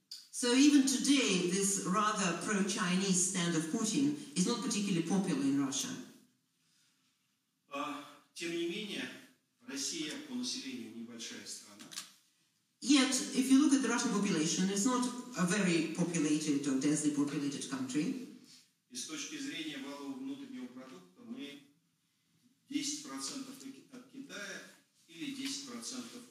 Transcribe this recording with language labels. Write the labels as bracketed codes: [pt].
[en] So even today, this rather pro-Chinese stand of Putin is not particularly popular in Russia. [ru] Тем не менее, Россия по населению небольшая страна. [en] Yet, if you look at the Russian population, it's not a very populated or densely populated country. [ru] И с точки зрения валового внутреннего продукта, мы 10% от Китая или 10%